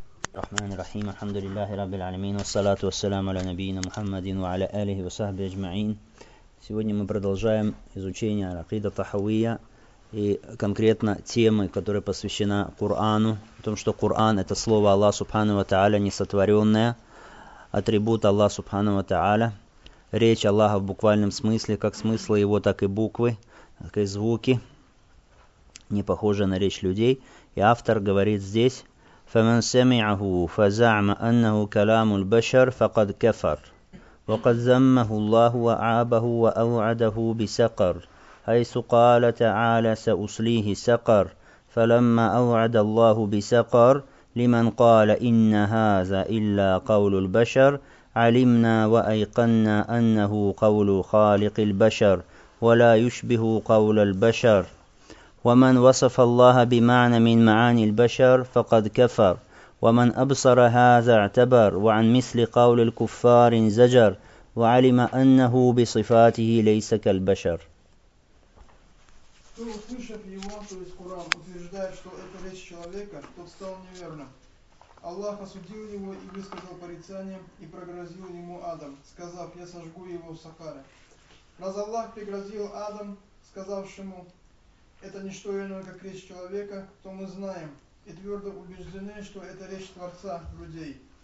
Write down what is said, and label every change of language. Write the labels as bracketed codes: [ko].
[ar] الرحمن الرحيم، الحمد لله رب العالمين، والصلاة والسلام على نبينا محمد وعلى آله وصحبه أجمعين. [ru] Сегодня мы продолжаем изучение Акида Тахавия и конкретно темы, которая посвящена Корану, о том, что Коран – это слово Аллаха Субхану ва Тааля, несотворенное, атрибут Аллаха Субхану ва Тааля, речь Аллаха в буквальном смысле, как смысла его, так и буквы, так и звуки, не похожие на речь людей. И автор говорит здесь: [ar] فمن سمعه فزعم أنه كلام البشر فقد كفر وقد ذمه الله وعابه وأوعده بسقر حيث قال تعالى سأصليه سقر فلما أوعد الله بسقر لمن قال إن هذا إلا قول البشر علمنا وأيقنا أنه قول خالق البشر ولا يشبه قول البشر ومن وصف الله بمعنى من معاني البشر فقد كفر ومن أبصر هذا اعتبر وعن مثل قول الكفار انزجر وعلم أنه بصفاته ليس كالبشر. [ru] Кто услышав его, то есть Коран, утверждает, что это речь человека, тот стал неверным. Аллах осудил его и высказал порицание и прогрозил ему адом, сказав: я сожгу его в Сахаре. Раз Аллах пригрозил адом, сказавшему: это не что иное, как речь человека, то мы знаем и твердо убеждены, что это речь Творца людей.